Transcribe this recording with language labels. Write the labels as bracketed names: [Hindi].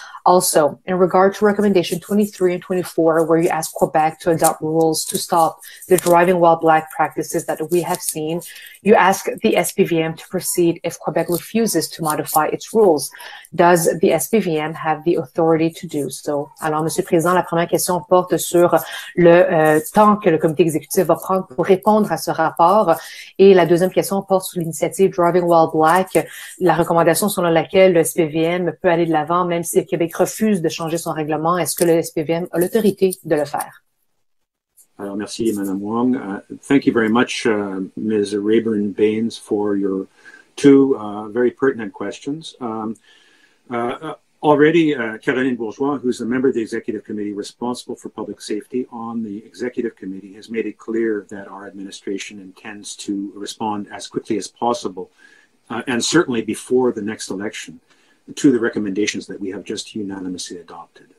[English] Also, in regard to recommendation 23 and 24, where you ask Quebec to adopt rules to stop the driving while black practices that we have seen, you ask the SPVM to proceed if Quebec refuses to modify its rules. Does the SPVM have the authority to do so? [French] Alors, Monsieur le Président, la première question porte sur le temps que le comité exécutif va prendre pour répondre à ce rapport. Et la deuxième question porte sur l'initiative Driving While Black, la recommandation selon laquelle le SPVM peut aller de l'avant, même si le Québec refuse de changer son règlement. Est-ce que le SPVM a l'autorité de le faire? Alors, merci, Madame Wong. [English] Thank you very much, Ms. Rayburn Baines, for your two very pertinent questions. Already, Caroline Bourgeois, who's a member of the Executive Committee responsible for public safety on the Executive Committee, has made it clear that our administration intends to respond as quickly as possible, and certainly before the next election, to the recommendations that we have just unanimously adopted.